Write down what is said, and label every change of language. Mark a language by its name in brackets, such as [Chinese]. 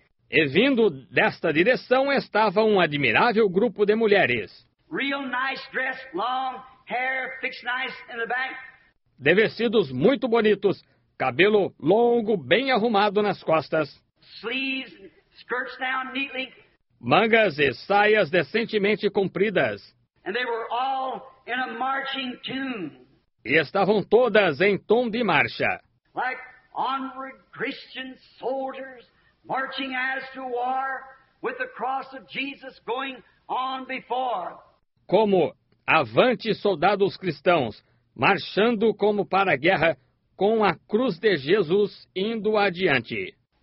[Portuguese] E vindo desta direção estava um admirável grupo de mulheres. [English] Real nice dress, long hair, fixed nice in the back. [Portuguese] De vestidos muito bonitos, cabelo longo, bem arrumado nas costas. [English] Sleeves, skirts down neatly. [Portuguese] Mangas e saias decentemente compridas. [English] And they were all in a marching tune. [Portuguese] E estavam todas em tom de marcha. [English] Like onward Christian soldiers marching as to war with the cross of Jesus going on before. [Portuguese] Como avante soldados cristãos, marchando como para a guerra, com a cruz de Jesus indo adiante.